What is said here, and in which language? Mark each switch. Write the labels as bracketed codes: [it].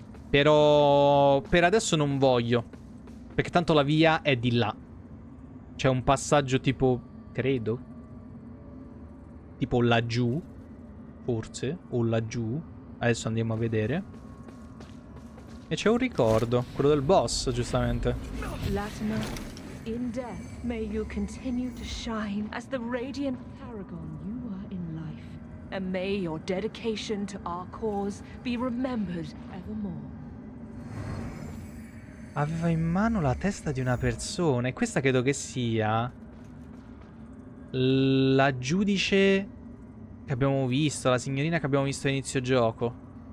[it] Però per adesso non voglio, perché tanto la via è di là. C'è un passaggio tipo, credo, tipo laggiù. Forse, o laggiù. Adesso andiamo a vedere. E c'è un ricordo, quello del boss, giustamente. [en] Latimer, in death, may you continue to shine as the radiant paragon you were in life. And may your dedication to our cause be remembered evermore. [it] Aveva in mano la testa di una persona. E questa credo che sia la giudice che abbiamo visto, la signorina che abbiamo visto all'inizio gioco.